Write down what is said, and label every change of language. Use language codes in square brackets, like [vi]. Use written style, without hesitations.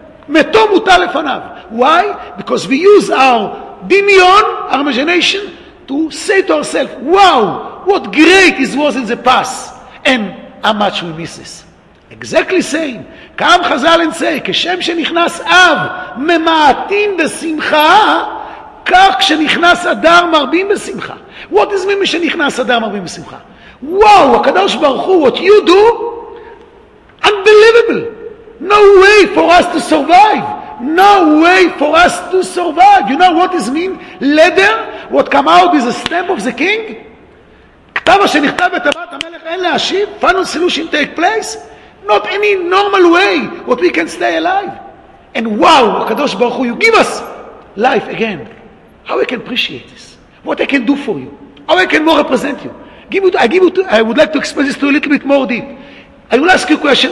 [he] Meto muta lefanav. [en] Why? Because we use our dimion, our imagination, to say to ourselves, wow, what great this was in the past, and how much we miss this. Exactly same. [he] Kam Chazal and say, Keshem shenichnas av, mema'atin besimcha, כך כשנכנס אדר מרבים בשמחה. [en] What is me [he] שנכנס אדר מרבים בשמחה? [en] Wow, הקדוש ברוך הוא, what you do? Unbelievable. No way for us to survive. No way for us to survive. You know what is mean? Leather, what come out is a stamp of the king? [he] כתב שנכתב בטבעת המלך אין להשיב? [en] Final solution take place? Not any normal way what we can stay alive. And wow, הקדוש ברוך הוא, you give us life again. How I can appreciate this? What I can do for you? How I can more represent you? I would like to express this to you a little bit more deep. I will ask you a question.